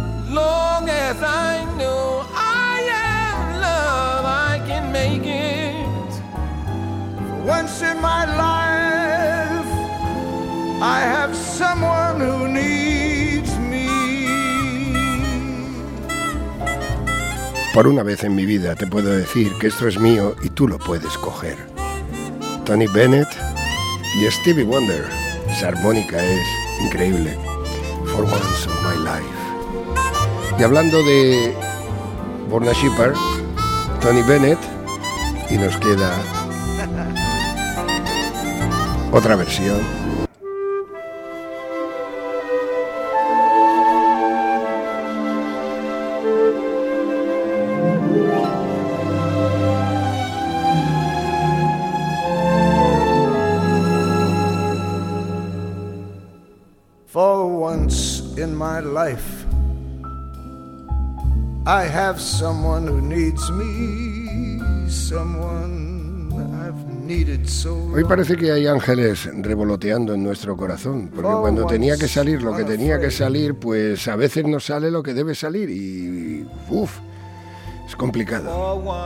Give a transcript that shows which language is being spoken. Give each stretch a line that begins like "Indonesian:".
English: Long as I know I am love, I can make it. Once in my life, I have someone who needs me.
Spanish: Por una vez en mi vida te puedo decir que esto es mío y tú lo puedes coger. Tony Bennett y Stevie Wonder. Esa armónica es increíble. For once in my life. Y hablando de Wanda Shepherd, Tony Bennett, y nos queda otra versión.
English: For once in my life, I have someone who needs me, someone I've
Spanish: Hoy parece que hay ángeles revoloteando en nuestro corazón, porque cuando tenía que salir lo que tenía que salir, pues a veces no sale lo que debe salir y uff, es complicado.